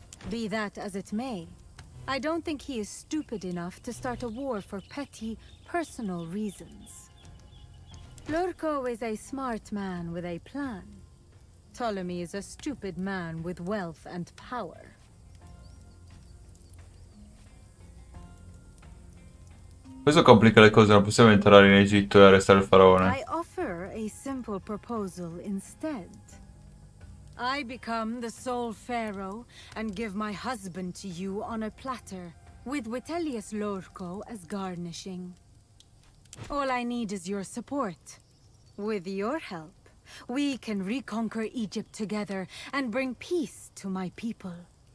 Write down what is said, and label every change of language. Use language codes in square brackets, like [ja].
[en] Be that as it may, I don't think he is stupid enough to start a war for petty, personal reasons. Lurco is a smart man with a plan. Ptolemy is a stupid man with wealth and power. [it] Questo complica le cose, non possiamo entrare in Egitto e arrestare il faraone. [en] I offer a simple proposal instead. I become the sole pharaoh and give my husband to you on a platter, with Vitellius Lorco as garnishing. All I need is your support. With your help. We can reconquer Egypt together and bring peace to my people.